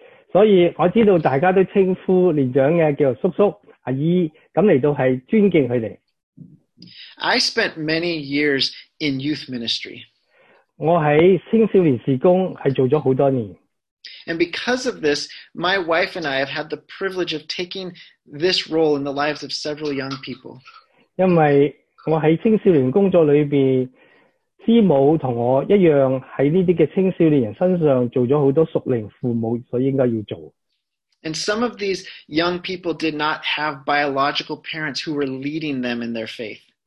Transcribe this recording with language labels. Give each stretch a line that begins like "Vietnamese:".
Cantonese: 所以我知道大家都稱呼年長嘅叫叔叔、阿姨，咁嚟到係尊敬佢哋。
English: I spent many years in youth ministry.
Cantonese: 我喺青少年事工係做咗好多年。
English: And because of this, my wife and I have had the privilege of taking this role in the lives of several young people.
Cantonese: 因為我喺青少年工作裏面，師母同我一樣喺呢啲嘅青少年人身上做咗好多屬靈父母所應該要做。
English: And some of these young people did not have biological parents who were leading them in their faith.